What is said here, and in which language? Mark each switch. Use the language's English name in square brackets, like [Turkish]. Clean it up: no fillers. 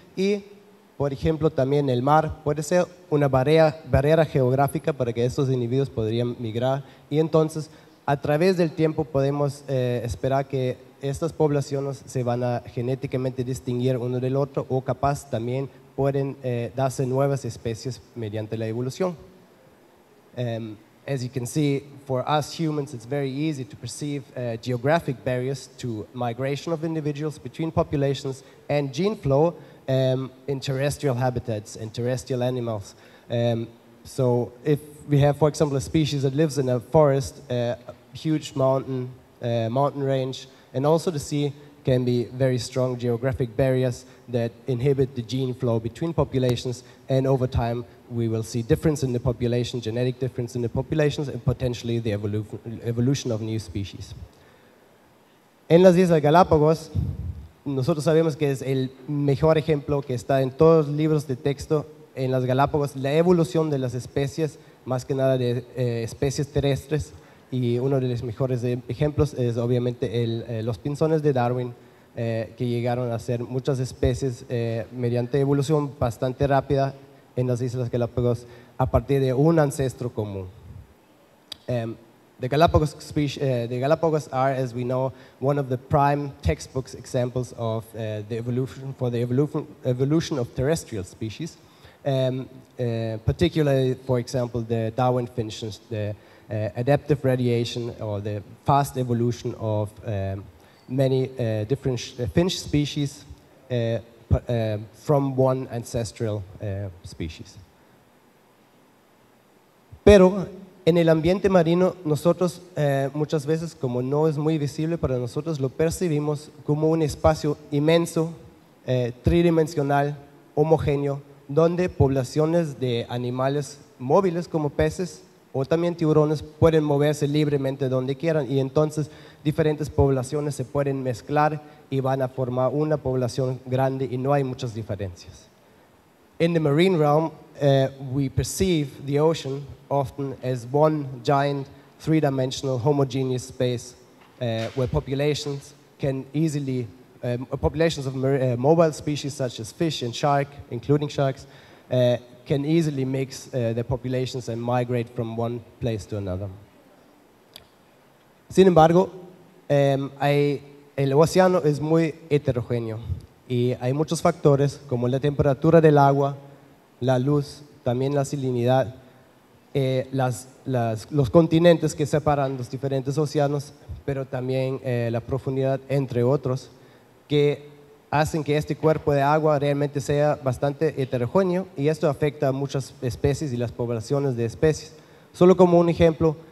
[Spanish] Y por ejemplo, también el mar puede ser una barrera geográfica para que estos individuos podrían migrar. Y entonces, a través del tiempo podemos esperar que estas poblaciones se van a genéticamente distinguir uno del otro o capaz también pueden darse nuevas especies mediante la evolución. [English] As you can see, for us humans, it's very easy to perceive geographic barriers to migration of individuals between populations and gene flow in terrestrial habitats and terrestrial animals. So if we have, for example, a species that lives in a forest, huge mountain range, and also the sea can be very strong geographic barriers that inhibit the gene flow between populations, and over time we will see difference in the population, genetic difference in the populations, and potentially the evolution of new species. [Spanish] En las Islas Galápagos, nosotros sabemos que es el mejor ejemplo que está en todos los libros de texto en las Galápagos, la evolución de las especies, más que nada de especies terrestres, y uno de los mejores ejemplos es obviamente los pinzones de Darwin, que llegaron a ser muchas especies mediante evolución bastante rápida en las Islas Galápagos a partir de un ancestro común. [English] The Galapagos are, as we know, one of the prime textbook examples of the evolution of terrestrial species, particularly, for example, the Darwin finches, the adaptive radiation or the fast evolution of many different finch species from one ancestral species. [Spanish] Pero en el ambiente marino, nosotros muchas veces, como no es muy visible para nosotros, lo percibimos como un espacio inmenso, tridimensional, homogéneo, donde poblaciones de animales móviles como peces o también tiburones pueden moverse libremente donde quieran y entonces diferentes poblaciones se pueden mezclar y van a formar una población grande y no hay muchas diferencias. [English] In the marine realm, we perceive the ocean often as one giant three-dimensional homogeneous space where populations can easily, populations of mobile species such as fish and shark, including sharks, can easily mix their populations and migrate from one place to another. [Spanish] Sin embargo, el océano es muy heterogéneo y hay muchos factores como la temperatura del agua, la luz, también la salinidad, los continentes que separan los diferentes océanos, pero también la profundidad, entre otros, que hacen que este cuerpo de agua realmente sea bastante heterogéneo y esto afecta a muchas especies y las poblaciones de especies. Solo como un ejemplo,